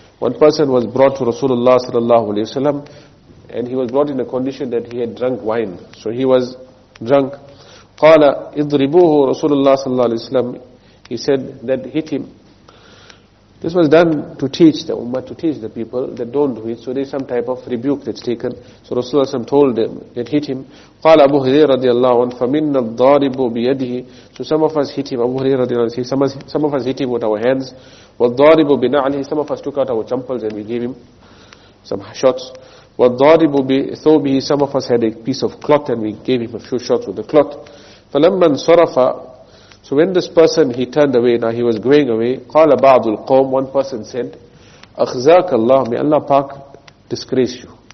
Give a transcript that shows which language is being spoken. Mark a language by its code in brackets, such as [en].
[en] One person was brought to Rasulullah sallallahu alayhi wa sallam, and he was brought in a condition that he had drunk wine. So he was drunk. [ar] Qala idribuhu [en] Rasulullah sallallahu alayhi wa sallam. He said that hit him. This was done to teach the ummah, to teach the people that don't do it. So there's some type of rebuke that's taken. So Rasulullah told them, it hit him. [ar] قال أبو هريرة رضي الله عنه فمن الضارب بيده. [en] So some of us hit him. Abu Hurairah رضي الله عنه. Some of us hit him with our hands. [ar] والضارب بنعله. [en] Some of us took out our chumples and we gave him some shots. [ar] والضارب بثوبه. [en] Some of us had a piece of cloth and we gave him a few shots with the cloth. [ar] فلما انصرف. [en] So when this person, he turned away, now he was going away, [ar] قَالَ بَعْضُ الْقَوْمِ, [en] one person said, [ar] أَخْزَاكَ اللَّهُ, [en] may Allah Pak disgrace you.